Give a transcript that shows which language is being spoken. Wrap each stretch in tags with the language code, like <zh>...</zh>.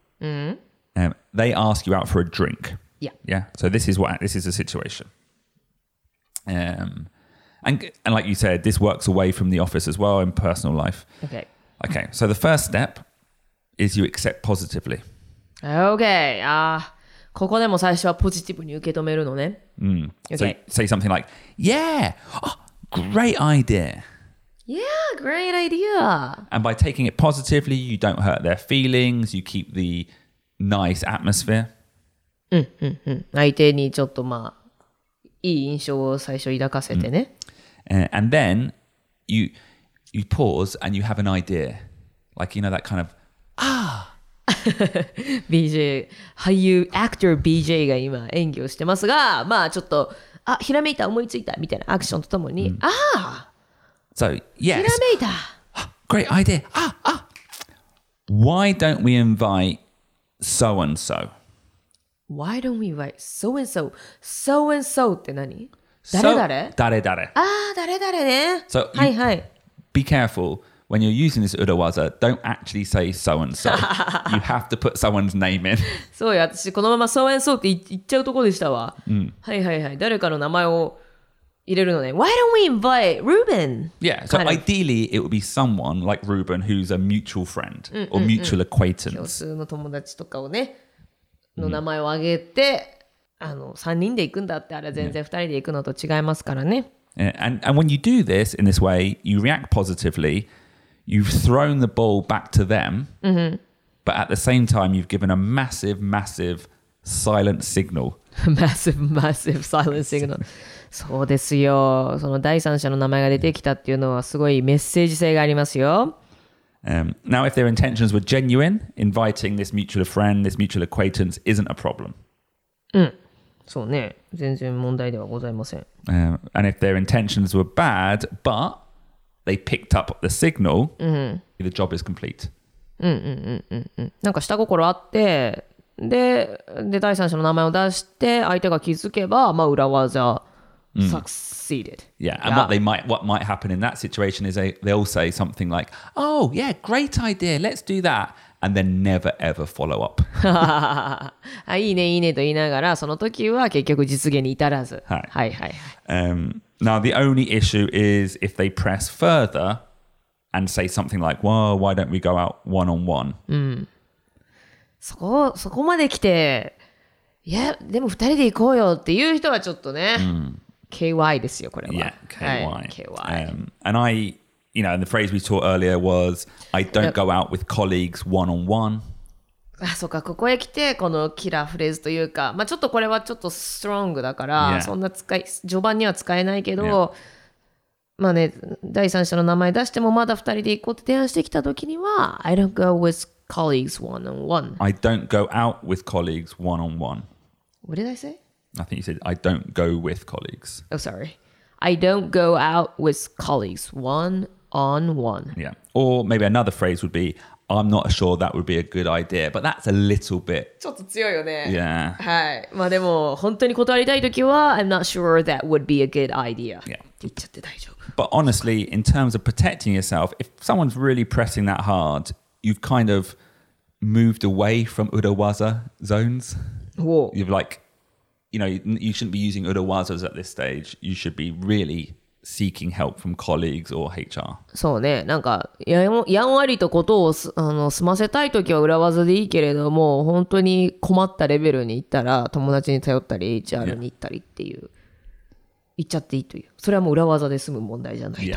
<en>They ask you out for a drink. Yeah. So this is the situation. And like you said, this works away from the office as well in personal life. Okay. So the first step is you accept positively. Okay.</en> <ja>ここでも最初はポジティブに受け止めるのね。</ja> <en>So say something like, yeah, oh, great idea. Yeah, great idea. And by taking it positively, you don't hurt their feelings. You keep the nice atmosphere.</en> <ja>相手にちょっとまあいい印象を最初抱かせてね。</ja> <en>And then you pause and you have an idea, like you know that kind of ah.</en> <ja>BJ, 俳優 actor BJ が今演技をしてますが、まあちょっとあひらめいた思いついたみたいなアクションとともに、ah.</ja> <en>So, yes.</en> <ja>ひらめいた。</ja> <en>Great idea. Why don't we invite so-and-so? Why don't we invite so-and-so? So-and-so</en> <ja>って何？誰誰？誰誰？ああ、誰誰ね。</ja> <en>So,</en> <ja>はいはい。</ja> <en>Be careful when you're using this urawaza. Don't actually say so-and-so. You have to put someone's name in.</en> <ja>そうや、私このまま so-and-so って言っちゃうとこでしたわ。はいはいはい。誰かの名前を入れるのね。</ja> <en>Why don't we invite Ruben? Yeah, so kind of. Ideally it would be someone like Ruben who's a mutual friend or mutual acquaintance.</en> <ja>共通の友達とかをね、の名前を挙げて、あの、3人で行くんだってあれ全然2人で行くのと違いますからね。</ja> <en>Yeah. And when you do this in this way, you react positively, you've thrown the ball back to them, but at the same time you've given a massive, massive silent signal. massive, massive silent signal.</en> <ja>そうですよ。その第三者の名前が出てきたっていうのはすごいメッセージ性がありますよ。</ja> <en>Now, if their intentions were genuine, inviting this mutual friend, this mutual acquaintance isn't a problem.</en> <ja>そうね。全然問題ではございません。</ja> <en>And if their intentions were bad, but they picked up the signal, the job is complete.</en> <ja>なんか下心あって、で第三者の名前を出して相手が気づけば、まあ裏技。</ja> <en>Succeeded. Yeah, and what might happen in that situation is they'll say something like, "Oh, yeah, great idea. Let's do that," and then never ever follow up.</en> <ja>いいねいいねと言いながらその時は結局実現に至らず。はい、はいはい。</ja> <en>Now the only issue is if they press further and say something like, "Well, why don't we go out one on one?"</en> <ja>そこまで来て、いやでも二人で行こうよっていう人はちょっとね。 KY ですよ、これは。</ja> <en>Yeah, KY.</en> <ja>はい、KY.</ja> <en>And I, you know, and the phrase we saw earlier was, I don't go out with colleagues one-on-one.</en> <ja>あ、そうか、ここへ来てこのキラーフレーズというか、まあ、ちょっとこれはちょっとストロングだから、yeah. そんな使い序盤には使えないけど、yeah. まあね、第三者の名前出してもまだ二人で行こうって提案してきた時には、</ja> <en>I don't go with colleagues one on one. I don't go out with colleagues one on one. What did I say? I think you said I don't go with colleagues. Oh, sorry. I don't go out with colleagues one on one. Yeah. Or maybe another phrase would be,I'm not sure that would be a good idea, but that's a little bit.</en> <ja>ちょっと強いよね。</ja> <en>Yeah.</en> <ja>はい。まあでも本当に断りたいときは、</ja> <en>I'm not sure that would be a good idea. Yeah.</en> <ja>言っちゃって大丈夫。</ja> <en>But honestly, in terms of protecting yourself, if someone's really pressing that hard, you've kind of moved away from Urawaza zones. Whoa. You've like, you know, you shouldn't be using Urawazas at this stage. You should be really. Seeking help from colleagues or HR.</en> <ja>そうね、なんかやんわりとことをあの済ませたいときは裏技でいいけれども、本当に困ったレベルに行ったら友達に頼ったり HR に行ったりっていう、yeah. 行っちゃっていいという、それはもう裏技で済む問題じゃないと、</ja>